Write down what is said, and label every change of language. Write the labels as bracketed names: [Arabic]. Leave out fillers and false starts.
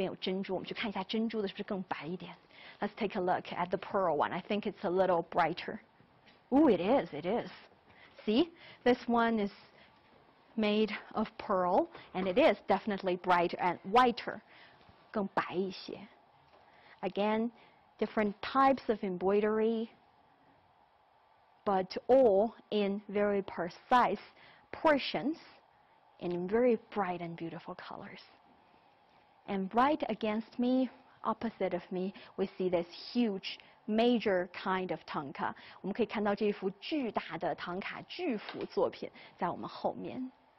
[Chinese] 所以这个呢是贝壳为原料,那边有珍珠,我们去看一下珍珠的是不是更白一点. [English] Let's take a look at the pearl one. I think it's a little brighter. Ooh, it is, it is. See, this one is made of pearl, and it is definitely brighter and whiter. [Chinese] 更白一些. [English] Again, different types of embroidery, but all in very precise portions, in very bright and beautiful colors. And right against me, opposite of me, we see this huge major kind of Thangka. [Chinese] 我们可以看到这幅巨大的唐卡巨幅作品在我们后面。